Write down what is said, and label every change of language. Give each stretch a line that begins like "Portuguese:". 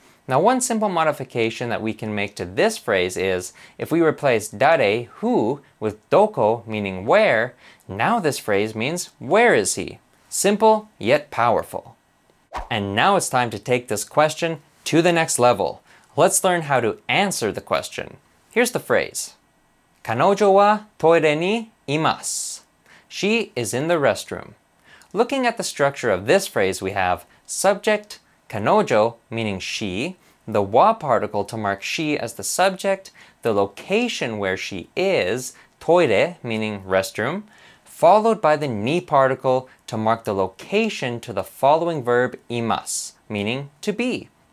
English: Now, one simple modification that we can make to this phrase is, if we replace 誰, who, with どこ, meaning where, now this phrase means, where is he? Simple, yet powerful. And now it's time to take this question to the next level. Let's learn how to answer the question. Here's the phrase.
Japanese: 彼女はトイレにいます.
English: She is in the restroom. Looking at the structure of this phrase, we have subject, 彼女, meaning she, the 와 particle to mark she as the subject, the location where she is, トイレ, meaning restroom, followed by the 니 particle to mark the location to the following verb, います, meaning to be.